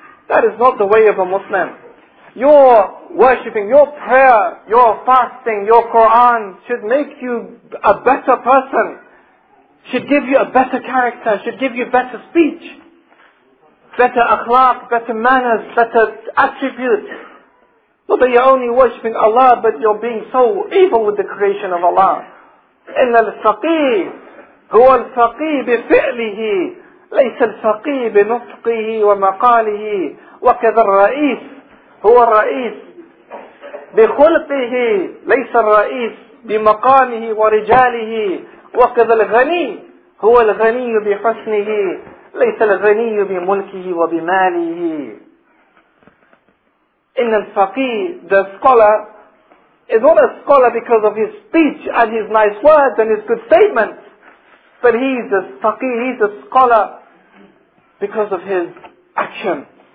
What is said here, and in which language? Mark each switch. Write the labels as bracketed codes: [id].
[en] That is not the way of a Muslim. Your worshipping, your prayer, your fasting, your Quran should make you a better person, should give you a better character, should give you better speech, better akhlaq, better manners, better attributes. Not that you're only worshipping Allah, but you're being so evil with the creation of Allah. [ar] إِنَّ الْفَقِيهُ هُوَ الْفَقِيهُ بِفِعْلِهِ لَيْسَ الْفَقِيهُ بِنُطْقِهِ وَمَقَالِهِ وَكَذَا الرَّئِيسِ هو الرئيس بخلقه ليس الرئيس بمقامه ورجاله وكذا الغني هو الغني بحسنه ليس الغني بملكه وبماله. إن الفقيه, [en] the scholar, is not a scholar because of his speech and his nice words and his good statements, but he is a faqih, he is a scholar because of his action.